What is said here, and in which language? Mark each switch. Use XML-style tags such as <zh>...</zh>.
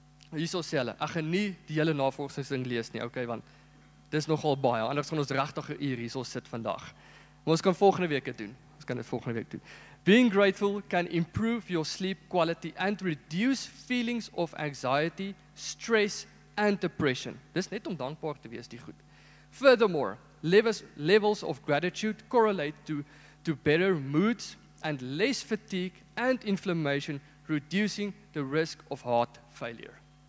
<af>Hierso sê hulle, ek gaan nie die hele navorsing lees nie, okay, want dis nogal baie, anders gaan ons regtig 'n uur hierso sit vandag. Maar ons kan volgende week het doen. Ons kan dit volgende week doen.</af> <en>Being grateful can improve your sleep quality and reduce feelings of anxiety, stress and depression.</en> <af>Dis net om dankbaar te wees, die goed.</af> <en>Furthermore, levels of gratitude correlate to better moods and less fatigue and inflammation, reducing the risk of heart failure.</en>